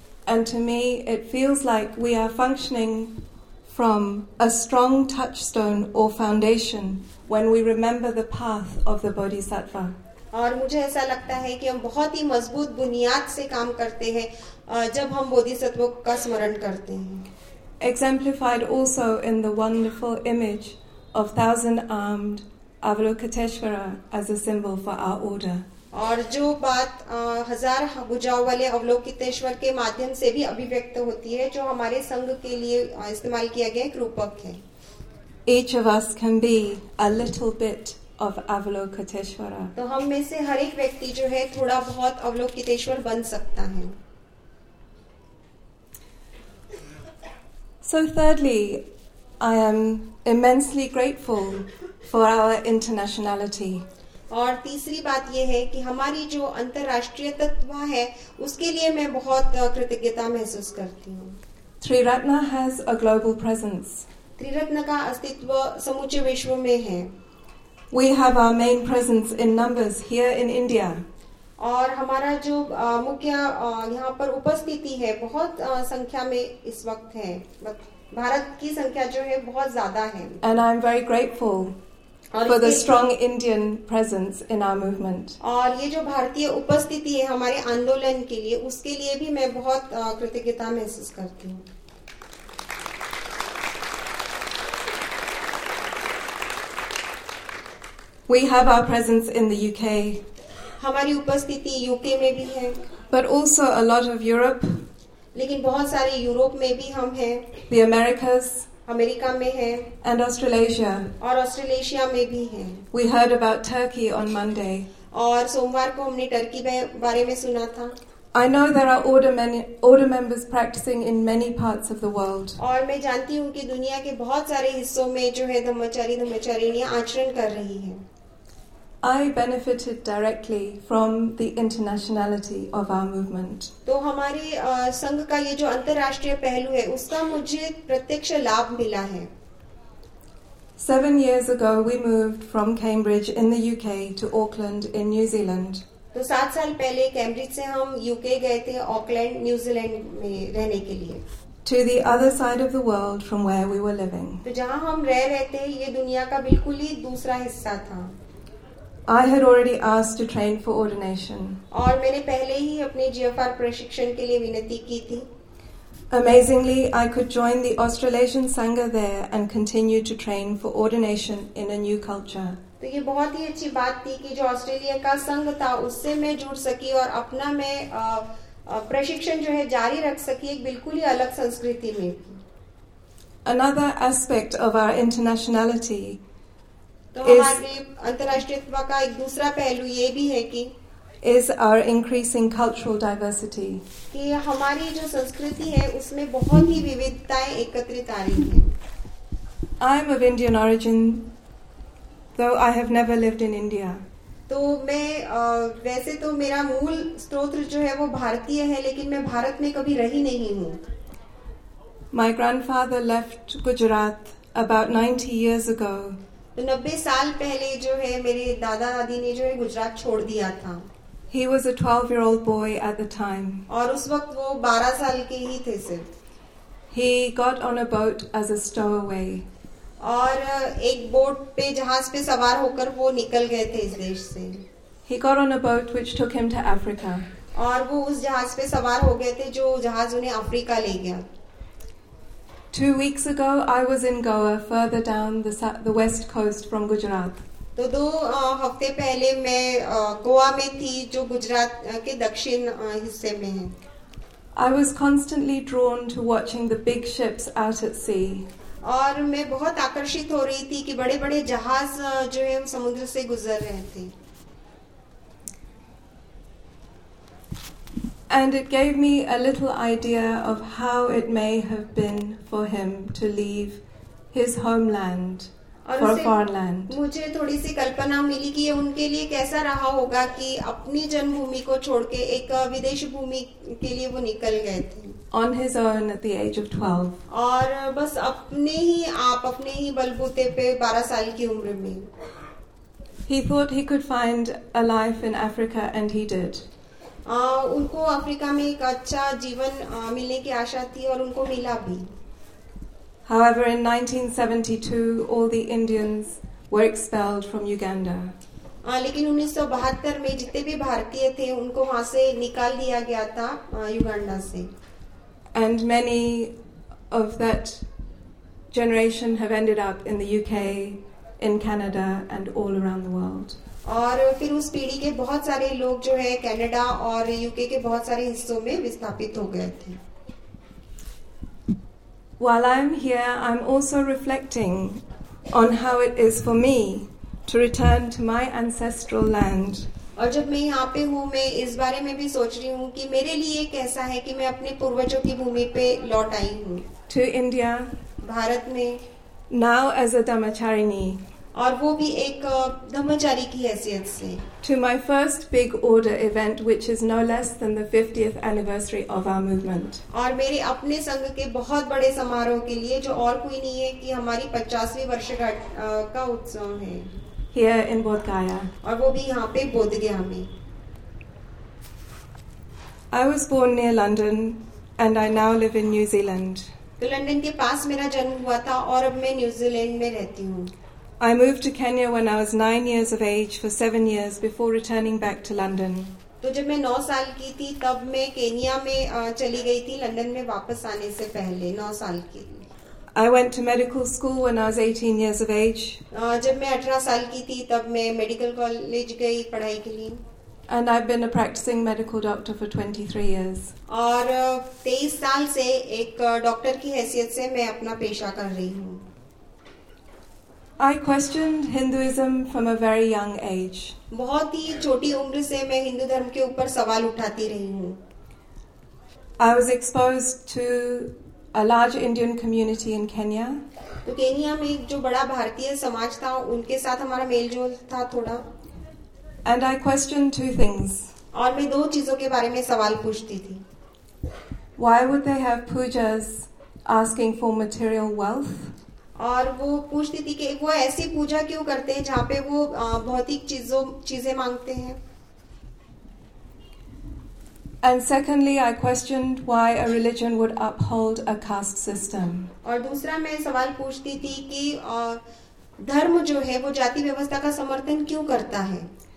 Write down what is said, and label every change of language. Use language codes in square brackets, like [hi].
[en] And to me it feels like we are functioning from a strong touchstone or foundation when we remember the path of the Bodhisattva. [hi] और मुझे ऐसा लगता है कि हम बहुत ही मजबूत बुनियाद से काम करते हैं जब हम बोधिसत्व का स्मरण करते हैं. [en] Exemplified also in the wonderful image of thousand-armed Avalokiteshvara as a symbol for our order. [hi] और जो बात हजार भुजाओं वाले अवलोकितेश्वर के माध्यम से भी अभिव्यक्त होती है, जो हमारे संघ के लिए इस्तेमाल किया गया एक रूपक है. [en] Each of us can be a little bit of Avalokiteshvara. [hi] तो हम में से हर एक व्यक्ति जो है थोड़ा बहुत अवलोकितेश्वर बन सकता है. [en] So thirdly, I am immensely grateful for our internationality. [hi] और तीसरी बात यह है कि हमारी जो अंतर्राष्ट्रीय तत्व है उसके लिए मैं बहुत कृतज्ञता महसूस करती हूँ. [en] Triratna has a global presence. [hi] Triratna का अस्तित्व समूचे विश्व में है. [en] We have our main presence in numbers here in India. [hi] और हमारा जो मुख्य यहाँ पर उपस्थिति है बहुत संख्या में इस वक्त है. भारत की संख्या जो है बहुत ज्यादा है. [en] And I'm very grateful for the strong Indian presence in our movement. [hi] और ये जो भारतीय उपस्थिति है हमारे आंदोलन के लिए उसके लिए भी मैं बहुत कृतज्ञता महसूस करती हूँ. [en] We have our presence in the UK. [hi] हमारी उपस्थिति यूके में भी है. [en] But also a lot of Europe. [hi] लेकिन बहुत सारे यूरोप में भी हम हैं. [en] The Americas. [hi] अमेरिका में है. [en] And Australasia. [hi] और ऑस्ट्रेलेशिया में भी है. [en] We heard about Turkey on Monday. [hi] और सोमवार को हमने टर्की बारे में सुना था. [en] I know there are order members practicing in many parts of the world. [hi] और मैं जानती हूँ कि दुनिया के बहुत सारे हिस्सों में जो है धर्मचारी धर्मचारिणियां आचरण कर रही हैं. [en] I benefited directly from the internationality of our movement. [hi] तो हमारे संघ का ये जो अंतर्राष्ट्रीय पहलू है उसका मुझे प्रत्यक्ष लाभ मिला है. [en] 7 years ago, we moved from Cambridge in the UK to Auckland in New Zealand. [hi] तो 7 साल पहले कैम्ब्रिज से हम यूके गए थे ऑकलैंड न्यूजीलैंड में रहने के लिए. [en] To the other side of the world from where we were living. [hi] तो जहाँ हम रह रहे थे ये दुनिया का बिल्कुल ही दूसरा हिस्सा था. [en] I had already asked to train for ordination. [hi] और मैंने पहले ही अपने GFR प्रशिक्षण के लिए विनती की थी. [en] Amazingly, I could join the Australasian Sangha there and continue to train for ordination in a new culture. [hi] तो ये बहुत ही अच्छी बात थी कि जो ऑस्ट्रेलिया का संघ था उससे मैं जुड़ सकी और अपना मैं प्रशिक्षण जो है जारी रख सकी एक बिल्कुल ही अलग संस्कृति में. [en] Another aspect of our internationality. [hi] तो हमारे अंतर्राष्ट्रीयत्व का एक दूसरा पहलू ये भी है कि [en] is our increasing cultural diversity. [hi] कि हमारी जो संस्कृति है उसमें बहुत ही विविधताएं एकत्रित आ रही हैं. [en] I am of Indian origin, though I have never lived in India. [hi] तो मैं वैसे तो मेरा मूल स्रोत जो है वो भारतीय है लेकिन मैं भारत में कभी रही नहीं हूँ. [en] My grandfather left Gujarat about 90 years ago. [hi] तो 90 साल पहले जो है मेरे दादा दादी ने जो है गुजरात छोड़ दिया था. [en] He was a 12-year-old boy at the time. [hi] और उस वक्त वो 12 साल के ही थे सिर्फ. [en] He got on a boat as a stowaway. [hi] और एक बोट पे जहाज पे सवार होकर वो निकल गए थे इस देश से. [en] He got on a boat which took him to Africa. [hi] और वो उस जहाज पे सवार हो गए थे जो जहाज उन्हें अफ्रीका ले गया. [en] 2 weeks ago, I was in Goa, further down the west coast from Gujarat. [hi] तो 2 हफ्ते पहले मैं गोवा में थी जो गुजरात के दक्षिण हिस्से में है. [en] I was constantly drawn to watching the big ships out at sea. [hi] और मैं बहुत आकर्षित हो रही थी कि बड़े बड़े जहाज जो है समुद्र से गुजर रहे थे. [en] And it gave me a little idea of how it may have been for him to leave his homeland for a foreign land. [hi] मुझे थोड़ी सी कल्पना मिली कि ये उनके लिए कैसा रहा होगा कि अपनी जन्मभूमि को छोड़के एक विदेशी भूमि के लिए वो निकल गए थे. [en] On his own at the age of 12. [hi] और बस अपने ही आप अपने ही बलबूते पे 12 साल की उम्र में. [en] He thought he could find a life in Africa, and he did. [hi] उनको अफ्रीका में एक अच्छा जीवन मिलने की आशा थी और उनको मिला भी. [en] However, in 1972, all the Indians were expelled from Uganda. [hi] लेकिन 1972 में जितने भी भारतीय थे उनको वहां से निकाल दिया गया था युगांडा से. [en] And many of that generation have ended up in the UK, in Canada, and all around the world. [hi] और फिर उस पीढ़ी के बहुत सारे लोग जो है कनाडा और यूके के बहुत सारे हिस्सों में विस्थापित हो गए थे. [en] While I'm here, I'm also reflecting on how it is for me to return to my ancestral land. [hi] और जब मैं यहाँ पे हूँ मैं इस बारे में भी सोच रही हूँ कि मेरे लिए कैसा है कि मैं अपने पूर्वजों की भूमि पे लौट आई हूँ. [en] To India. [hi] भारत में. [en] Now as a Dhammacharini. [hi] और वो भी एक धर्मचारी की हैसियत से [en] to my first big order event which is no less than the 50th anniversary of our movement [hi] और मेरे अपने संघ के बहुत बड़े समारोह के लिए जो और कोई नहीं है कि हमारी 50वीं वर्षगांठ का उत्सव है [en] here in Bodhgaya [hi] और वो भी यहाँ पे बोधगया में [en] I was born near London and I now live in New Zealand [hi] तो लंदन के पास मेरा जन्म हुआ था और अब मैं न्यूजीलैंड में रहती हूँ [en] I moved to Kenya when I was 9 years of age for 7 years before returning back to London. [hi] तो जब मैं 9 साल की थी तब मैं केनिया में चली गई थी लंदन में वापस आने से पहले 9 साल के लिए. [en] I went to medical school when I was 18 years of age. [hi] जब मैं 18 साल की थी तब मैं मेडिकल कॉलेज गई पढ़ाई के लिए. [en] And I've been a practicing medical doctor for 23 years. [hi] और 23 साल से एक डॉक्टर की हैसियत से मैं अपना पेशा कर रही हूँ. [en] I questioned Hinduism from a very young age. [hi] बहुत ही छोटी उम्र से मैं हिंदू धर्म के ऊपर सवाल उठाती रही हूँ. [en] I was exposed to a large Indian community in Kenya. [hi] तो केनिया में जो बड़ा भारतीय समाज था उनके साथ हमारा मेलजोल था थोड़ा. [en] And I questioned two things. [hi] और मैं दो चीजों के बारे में सवाल पूछती थी. [en] Why would they have pujas asking for material wealth? [hi] और वो पूछती थी कि वो ऐसी पूजा क्यों करते हैं जहाँ पे वो भौतिक चीजें मांगते हैं [en] and secondly I questioned why a religion would uphold a caste system [hi] और दूसरा मैं सवाल पूछती थी कि धर्म जो है वो जाति व्यवस्था का समर्थन क्यों करता है